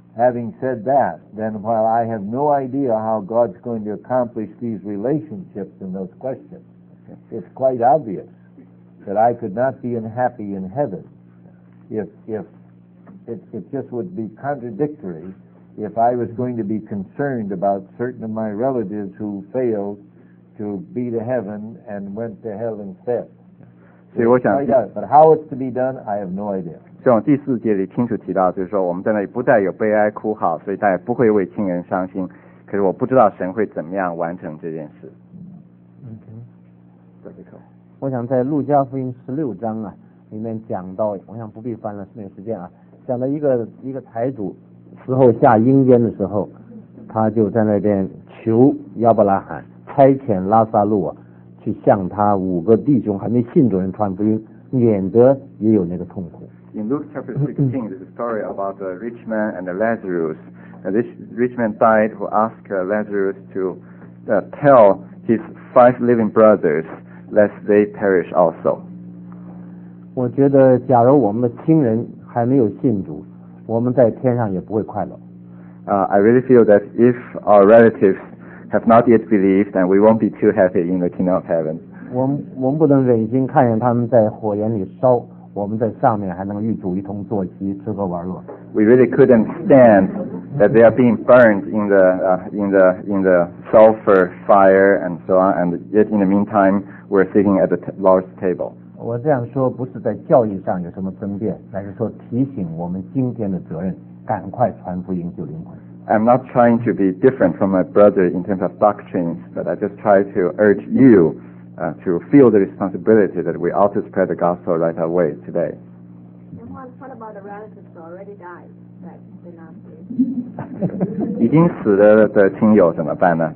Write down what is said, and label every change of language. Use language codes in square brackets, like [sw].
[en] Having said that, then while I have no idea how God's going to accomplish these relationships in those questions, it's quite obvious that I could not be unhappy in heaven if it just would be contradictory if I was going to be concerned about certain of my relatives who failed to be to heaven and went to hell instead. So I think, but how it's to be done, I have no idea. [zh] 像第四节里清楚提到，就是说我们在那里不再有悲哀哭嚎，所以大家不会为亲人伤心。可是我不知道神会怎么样完成这件事。 [en] Okay. [zh] 我想在路加福音十六章啊里面讲到，我想不必翻了，没有时间啊。讲到一个财主死后下阴间的时候，他就在那边求亚伯拉罕差遣拉撒路啊去向他五个弟兄还没信主人传福音，免得也有那个痛苦。 [en] In Luke chapter 16, there's a story about a rich man and a Lazarus. And this rich man died who asked Lazarus to tell his five living brothers lest they perish also. [zh] 我觉得假如我们的亲人还没有信主，我们在天上也不会快乐。 [en] I really feel that if our relatives have not yet believed, then we won't be too happy in the kingdom of heaven. [zh] 我们不能忍心看见他们在火焰里烧，我们在上面还能与主一同坐席吃喝玩乐。 [en] We really couldn't stand that they are being burned in the sulfur fire and so on, and yet in the meantime we're sitting at the Lord's table. [zh] 我这样说不是在教义上有什么争辩，乃是说提醒我们今天的责任，赶快传福音救灵魂。 [en] I'm not trying to be different from my brother in terms of doctrines, but I just try to urge you. To feel the responsibility that we ought to spread the gospel right away today. And what about the relatives who already died that they're not here? [zh] 已经死了的亲友怎么办呢？